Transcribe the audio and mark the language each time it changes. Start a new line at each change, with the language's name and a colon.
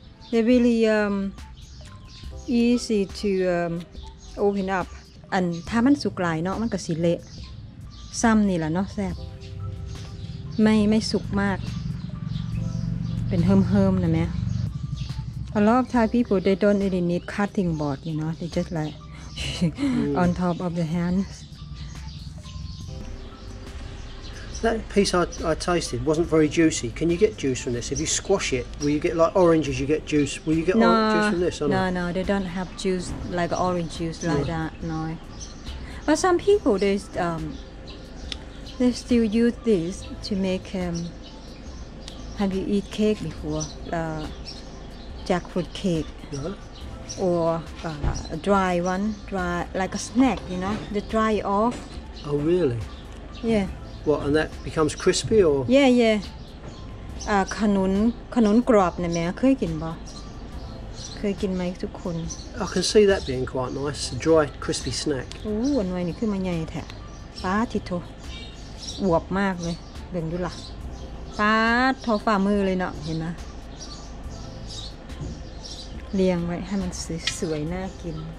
English: They're really easy to open up.
Thai: And ถ้ามันสุกไหลเนาะมันก็สิเละซ้ำนี่แหละเนาะแซ่บไม่สุกมากเป็นเฮิ่มๆนะแม่
English: A lot of Thai people they don't really need cutting board, you know. They just like on top of the hands. That piece I tasted wasn't very juicy. Can you get juice from this? If you squash it, will you get like oranges? You get juice. Will you get juice from this? No, they don't have juice like orange juice like that. No. But some people they still use this to make. Have you eat cake before? Jackfruit cake. No. Or a dry one, dry like a snack, you know, they dry it off. Oh, really? Yeah. What, and that becomes crispy or? Yeah, yeah.
Thai: ขนุนกรอบนะแม่เคยกินป่ะ เคยกินไหมทุกคน
English: I can see that being quite nice, a dry, crispy snack.
Thai: อันนี้คือมันใหญ่แท้ป้าทิโตอวบมากเลยเบ่งดูล่ะป้าทอฝ่ามือเลยเนาะเห็นไหมเลี้ยงไว้ให้มันสวยๆน่ากิน